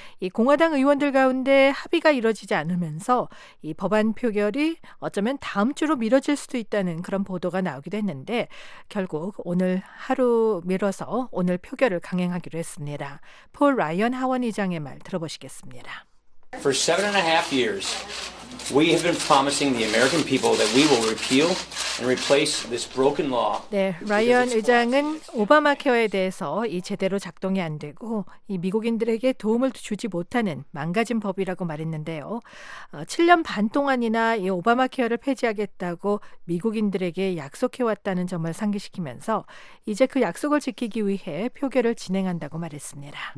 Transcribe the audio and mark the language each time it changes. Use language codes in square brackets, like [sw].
[ko] 이 공화당 의원들 가운데 합의가 이뤄지지 않으면서 이 법안 표결이 어쩌면 다음 주로 미뤄질 수도 있다는 그런 보도가 나오기도 했는데 결국 오늘 하루 미뤄서 오늘 표결을 강행하기로 했습니다. 폴 라이언 하원의장의 말 들어보시겠습니다. [en] For 7.5 years, we have been promising the American people that we will repeal and replace this broken law. [ko] 네, 라이언 의장은 오바마 케어에 대해서 이 제대로 작동이 안 되고 이 미국인들에게 도움을 주지 못하는 망가진 법이라고 말했는데요. 7년 반 동안이나 이 오바마 케어를 폐지하겠다고 미국인들에게 약속해 왔다는 점을 상기시키면서 이제 그 약속을 지키기 위해 표결을 진행한다고 말했습니다.